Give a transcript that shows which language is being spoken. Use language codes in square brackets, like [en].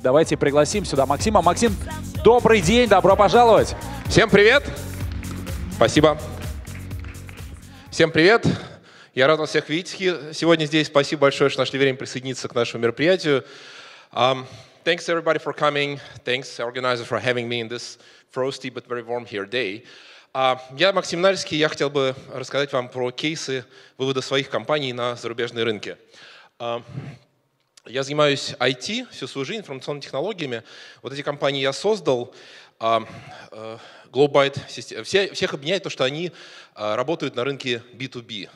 [ru] Давайте пригласим сюда Максима. Максим, добрый день, добро пожаловать. Всем привет. Спасибо. Всем привет. Я рад вас всех видеть сегодня здесь. Спасибо большое, что нашли время присоединиться к нашему мероприятию. [en] Thanks everybody for coming. Thanks organizers for having me in this frosty but very warm here day. [ru] Я Максим Нальский. Я хотел бы рассказать вам про кейсы вывода своих компаний на зарубежные рынки. Я занимаюсь IT всю свою жизнь, информационными технологиями. Вот эти компании я создал. Globite, всех объединяет то, что они работают на рынке B2B.